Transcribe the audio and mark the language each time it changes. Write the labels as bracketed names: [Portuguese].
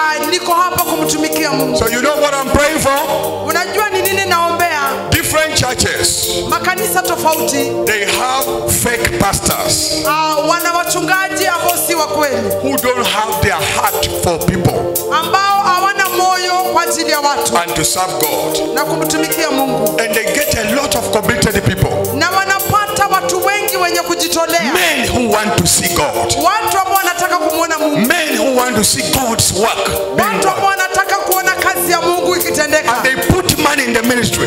[Swahili] Niko hapa kumtumikia Mungu. [English] So you know what I'm praying for? [Swahili] Unajua ni nini naombea? [English] Different churches. [Swahili] Makanisa tofauti. [English] They have fake pastors. [Swahili] Wana wachungaji ambao si wa kweli. [English] Who don't have their heart for people. [Swahili] Ambao hawana moyo kwa ajili ya watu. [English] And to serve God. [Swahili] Na kumtumikia Mungu. [English] And they get a lot of committed people. [Swahili] Na wanapata watu wengi wenye kujitolea. [English] Men who want to see God. [Swahili] Watu ambao wanataka kumuona Mungu. [English] Men who want to see God's work. [Swahili] Watu ambao wanataka kuona kazi ya Mungu ikitendeka. [English] And they put money in the ministry.